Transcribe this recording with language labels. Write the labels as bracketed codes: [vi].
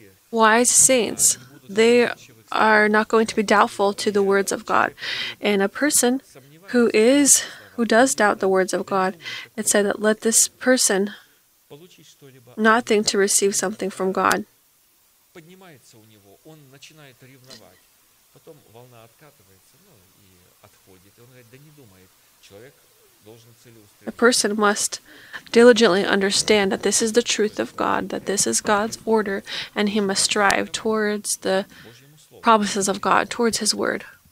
[en] Wise saints, they are not going to be doubtful to the words of God. And a person who does doubt the words of God, it said that let this person not think to receive something from God. [ru] Поднимается у него, он начинает ревновать. Потом волна откатывается, ну, и отходит. Он говорит, да не думает. Человек должен целеустремленно. [en] A person must diligently understand that this is the truth of God, that this is God's order, and he must strive towards the promises of God, towards his word.